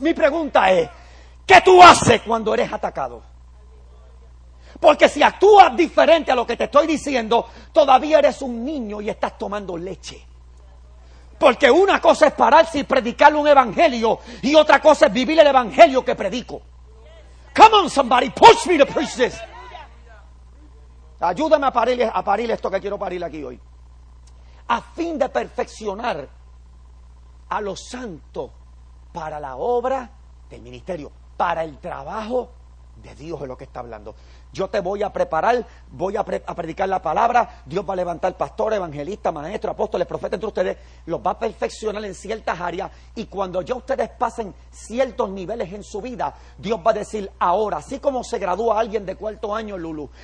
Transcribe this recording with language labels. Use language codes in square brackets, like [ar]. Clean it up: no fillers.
[es] Mi pregunta es, ¿qué tú haces cuando eres atacado? Porque si actúas diferente a lo que te estoy diciendo, todavía eres un niño y estás tomando leche. Porque una cosa es pararse y predicarle un evangelio, y otra cosa es vivir el evangelio que predico. [en] Come on somebody, push me to preach this. [es] Ayúdame a parir esto que quiero parir aquí hoy. A fin de perfeccionar a los santos para la obra del ministerio, para el trabajo de Dios es lo que está hablando. Yo te voy a preparar, voy a predicar la palabra, Dios va a levantar pastor, evangelista, maestro, apóstoles, profetas entre ustedes, los va a perfeccionar en ciertas áreas, y cuando ya ustedes pasen ciertos niveles en su vida, Dios va a decir, ahora, así como se gradúa alguien de cuarto año, Lulu,